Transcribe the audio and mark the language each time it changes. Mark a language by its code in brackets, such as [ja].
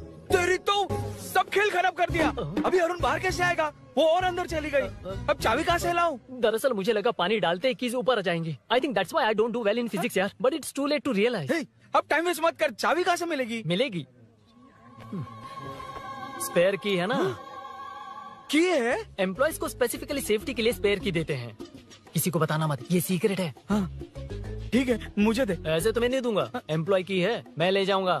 [hi] तेरी तो सब खेल खराब कर दिया। अभी अरुण बाहर कैसे आएगा? वो और अंदर चली गई। अब चाबी कहाँ से लाऊं? दरअसल मुझे लगा पानी डालते ही चीज ऊपर आ जाएंगी। [en] I think that's why I don't do well in physics [hi] यार. [en] But it's too late to realize. [hi] अब टाइम वेस्ट मत कर, चाबी कहाँ से मिलेगी? मिलेगी। स्पेयर की है ना? की है? एम्प्लॉयज को स्पेसिफिकली सेफ्टी के लिए स्पेयर की देते हैं। किसी को बताना मत, ये सीक्रेट है। ठीक है, मुझे दे। ऐसे तो मैं नहीं दूंगा। एम्प्लॉय की है, मैं ले जाऊंगा।